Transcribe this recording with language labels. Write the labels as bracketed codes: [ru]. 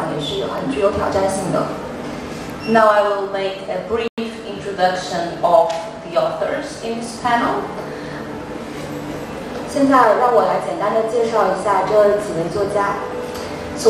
[zh] 今天下午这一场世界的作家的活动，我们邀请到了四位作家，他们的风格都是不尽相同，而且是可以说是迥然不同的。所以我相信今晚的活动也会非常的有意思，对我来讲也是很具有挑战性的。 [en] Now I will make a brief introduction of the authors in this panel. [zh] 现在让我来简单的介绍一下这几位作家。 [en] So